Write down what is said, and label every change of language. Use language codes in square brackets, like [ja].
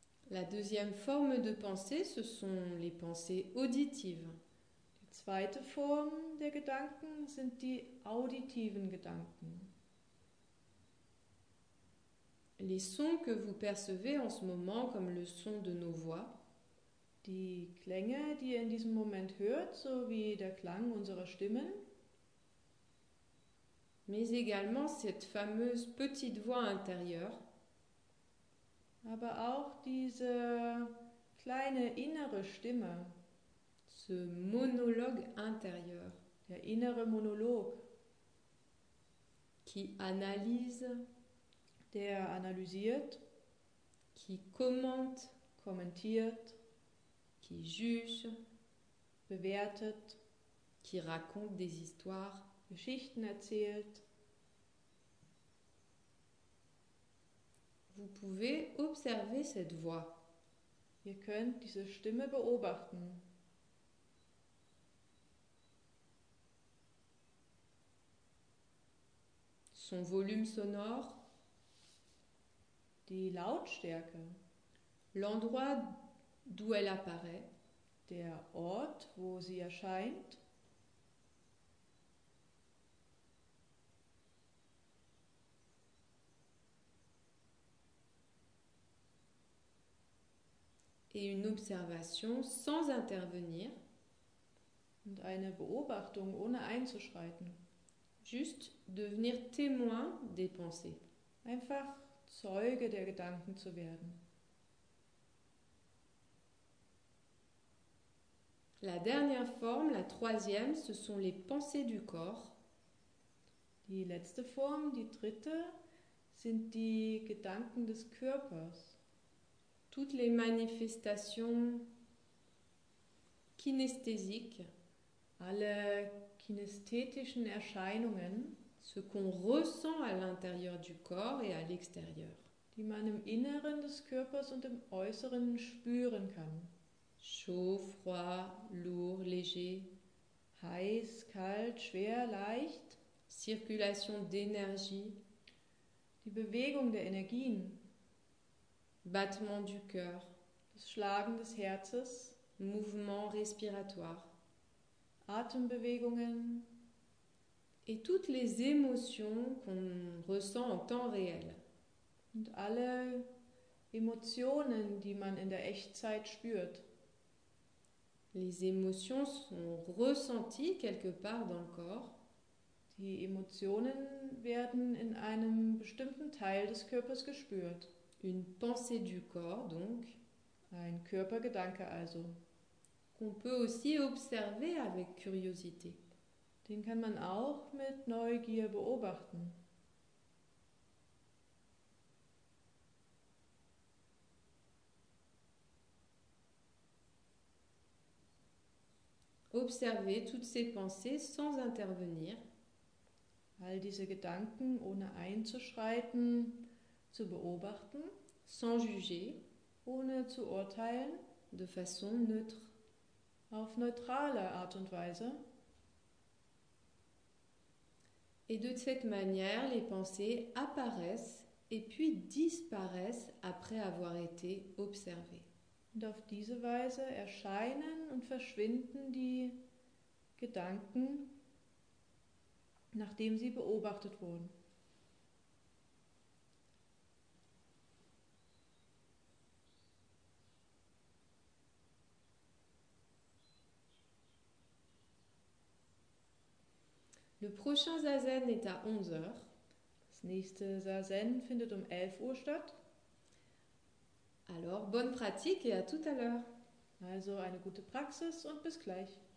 [fr] La deuxième forme de pensée, ce sont les pensées auditives. [de] Die zweite Form der Gedanken sind die auditiven Gedanken. [fr] Les sons que vous percevez en ce moment, comme le son de nos voix. [de] Die Klänge, die ihr in diesem Moment hört, so wie der Klang unserer Stimmen. [fr] Mais également cette fameuse petite voix intérieure. [de] Aber auch diese kleine innere Stimme. [fr] Ce monologue intérieur. [de] Der innere Monolog. [fr] Qui analyse. [de] Der analysiert. [fr] Qui commente. [de] Kommentiert. [fr] Qui juge. [de] Bewertet. [fr] Qui raconte des histoires. [de] Geschichten erzählt. [fr] Vous pouvez observer cette voix. [de] Ihr könnt diese Stimme beobachten. [fr] Son volume sonore. [de] Die Lautstärke. [fr] L'endroit d'où elle apparaît. [de] Der Ort, wo sie erscheint. [fr] Et une observation sans intervenir. [de] Und eine Beobachtung ohne einzuschreiten. [fr] Juste devenir témoin des pensées. [de] Einfach Zeuge der Gedanken zu werden. [fr] La dernière forme, la troisième, ce sont les pensées du corps. [de] Die letzte Form, die dritte, sind die Gedanken des Körpers. [fr] Toutes les manifestations kinesthésiques, [de] alle kinesthetischen Erscheinungen, [fr] ce qu'on ressent à l'intérieur du corps et à l'extérieur, [de] die man im Inneren des Körpers und im Äußeren spüren kann. [fr] Chaud, froid, lourd, léger, [de] heiß, kalt, schwer, leicht, [fr] circulation d'énergie, [de] die Bewegung der Energien, [fr] battement du cœur, [de] das Schlagen des Herzens, [fr] mouvement respiratoire, [de] Atembewegungen [fr] et toutes les émotions qu'on ressent en temps réel. [de] Und alle Emotionen, die man in der Echtzeit spürt. [fr] Les émotions sont ressenties quelque part dans le corps. [de] Die Emotionen werden in einem bestimmten Teil des Körpers gespürt. [fr] Une pensée du corps, donc. [de] Ein Körpergedanke also. [fr] Qu'on peut aussi observer avec curiosité. [de] Den kann man auch mit Neugier beobachten. [fr] Observer toutes ces pensées sans intervenir. [de] All diese Gedanken ohne einzuschreiten, zu beobachten. [fr] Sans juger, [de] ohne zu urteilen, [fr] de façon neutre, [de] auf neutrale Art und Weise. [fr] Et de cette manière, les pensées apparaissent et puis disparaissent après avoir été observées. [de] Und auf diese Weise erscheinen und verschwinden die Gedanken, nachdem sie beobachtet wurden. [fr] Le prochain zazen est à 11h. [de] Das nächste Zazen findet um 11 Uhr statt. [fr] Alors, bonne pratique et à tout à l'heure. [de] Also, eine gute Praxis und bis gleich.